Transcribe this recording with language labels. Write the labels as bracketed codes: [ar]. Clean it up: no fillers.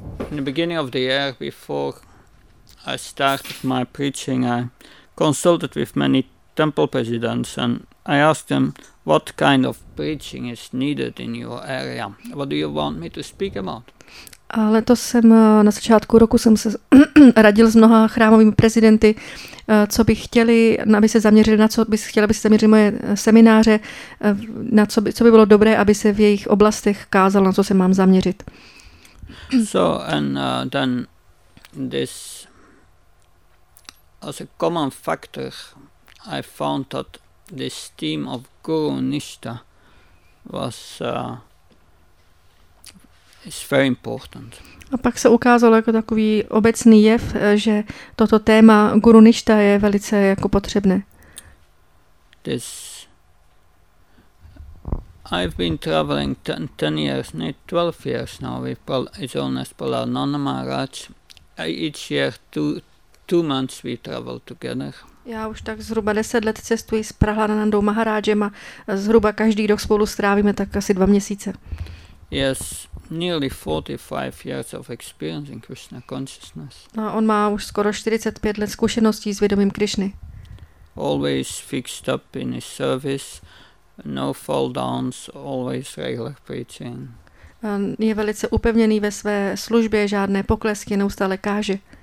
[en] In the beginning of the year, before I started my preaching, I consulted with many temple presidents and I asked them what kind of preaching is needed in your area. What do you want me to speak about? [cs] Letos jsem na začátku roku jsem se radil s mnoha chrámovými prezidenty, co by chtěli, aby se zaměřili, na co by chtěli, aby se zaměřili moje semináře, na co by bylo dobré, aby se v jejich oblastech kázalo, na co se mám zaměřit. [en] So and then this as a common factor, I found that this theme of Guru Nishtha was it's very important. [cs] A pak se ukázalo jako takový obecný jev, že toto téma Guru Nishtha je velice jako potřebné. [en] This I've been traveling 10 years, nearly 12 years now with his owner Palananda Maharaj. Each year two months we travel together. [cs] Já už tak zhruba 10 let cestuji s Prahlanandou Maharajem a zhruba každý rok spolu strávíme tak asi 2 měsíce. [en] Yes. Nearly 45 years of experience in Krishna consciousness. [cs] A on má už skoro 45 let zkušeností s vědomím Krishny. [en] Always fixed up in his service, no fall downs, always regular preaching. [cs] Je velice upevněný ve své službě, žádné poklesky, neustále káže.